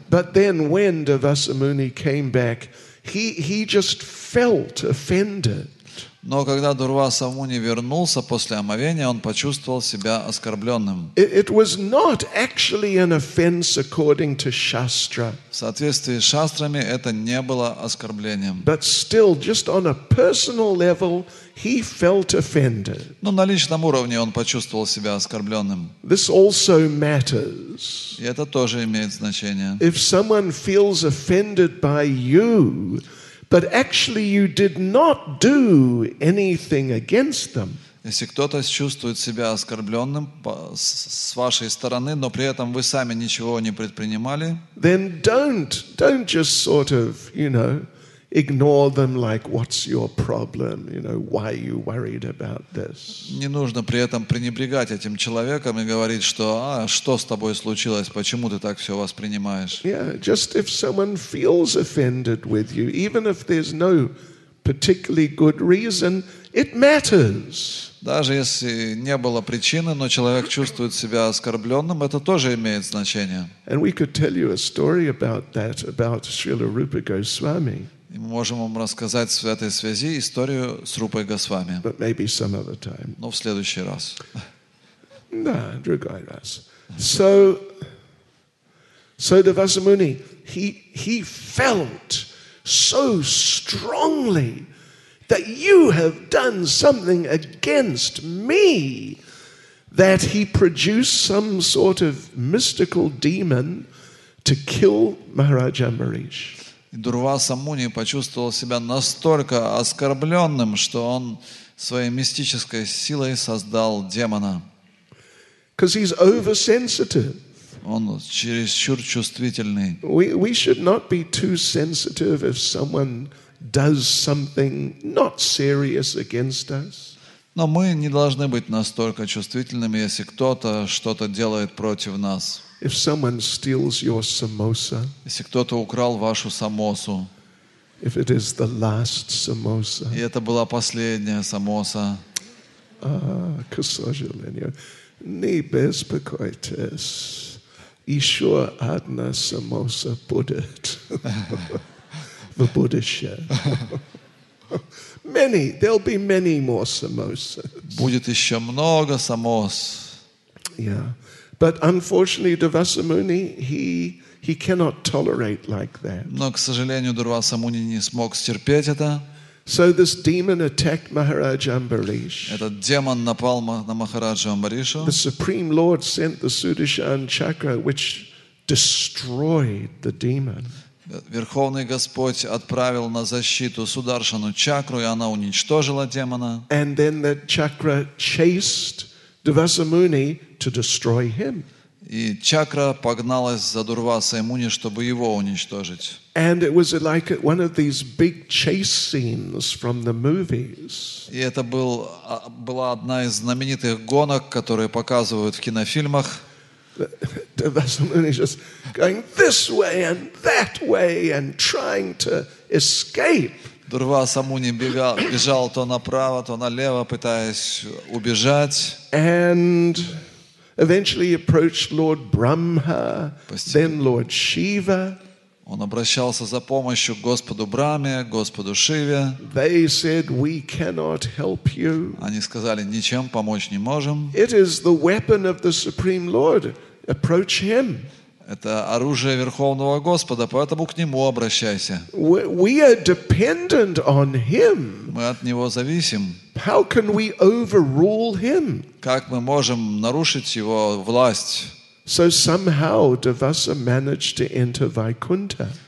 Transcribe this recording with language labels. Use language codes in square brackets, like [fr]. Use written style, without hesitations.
[en] But then when Devasamuni came back, he just felt offended. [ru] Но когда Дурваса Муни вернулся после омовения, он почувствовал себя оскорбленным. [en] It was not actually an offense according to Shastra. [ru] В соответствии с шастрами это не было оскорблением. [en] But still, just on a personal level, he felt offended. [ru] Но на личном уровне он почувствовал себя оскорбленным. [en] This also matters. [ru] И это тоже имеет значение. [en] If someone feels offended by you, but actually you did not do anything against them. [ru] Если кто-то чувствует себя оскорбленным с вашей стороны, но при этом вы сами ничего не предпринимали, [en] then don't just sort of, you know, ignore them like, what's your problem? You know, why are you worried about this? [ru] Не нужно при этом пренебрегать этим человеком и говорить, что, а, что с тобой случилось? Почему ты так все воспринимаешь? [en] Yeah, just if someone feels offended with you, even if there's no particularly good reason, It matters. [ru] Даже если не было причины, но человек чувствует себя оскорбленным, это тоже имеет значение. [en] And we could tell you a story about that, about Srila Rupa Goswami. [ru] И мы можем вам рассказать в этой связи историю с Рупой Госвами. [en] But maybe some other time. [ru] Но в следующий раз. No, другой раз. [en] So Devasamuni, he felt so strongly that you have done something against me, that he produced some sort of mystical demon to kill Maharaj Amrish. [ru] Дурваса Муни почувствовал себя настолько оскорбленным, что он своей мистической силой создал демона. [en] Because he's oversensitive. [ru] Он чересчур чувствительный. [en] We should not be too sensitive if someone does something not serious against us. [ru] Но мы не должны быть настолько чувствительными, если кто-то что-то делает против нас. [en] If someone steals your samosa. [ru] Если кто-то украл вашу самосу. [en] If it is the last samosa. [ru] И это была последняя самоса. К сожалению, не беспокойтесь. Еще одна самоса будет. В будущем. [en] Many, there'll be many more samosas. [ru] Будет еще много самос. [en] Yeah, but unfortunately, Devasamuni he cannot tolerate like that. [ru] Но, к сожалению, Дурвасамуни не смог стерпеть это. [en] So this demon attacked Maharaj Ambarish. [ru] Этот демон напал на Махараджа Амбаришу. [en] The Supreme Lord sent the Sudarshan Chakra, which destroyed the demon. [ru] Верховный Господь отправил на защиту Сударшану чакру, и она уничтожила демона. [en] And then the chakra chased Devasamuni to destroy him. [ru] И чакра погналась за Дурвасой Муни, чтобы его уничтожить. [en] And it was like one of these big chase scenes from the movies. [ru] И это была одна из знаменитых гонок, которые показывают в кинофильмах. [en] Devasamuni just going this way and that way and trying to escape. [ru] Дурвасамуни бежал то направо, то налево, пытаясь убежать. [en] And eventually approached Lord Brahma, then Lord Shiva. [ru] Он обращался за помощью к Господу Браме, Господу Шиве. [en] They said, we cannot help you. [ru] Они сказали, ничем помочь не можем. [en] It is the weapon of the Supreme Lord. Approach him. [ru] Это оружие Верховного Господа, поэтому к нему обращайся. [en] We are dependent on him. [ru] Мы от него зависим. [en] How can we overrule him? [ru] Как мы можем нарушить его власть? [en] So somehow Devasa managed to enter Vaikuntha.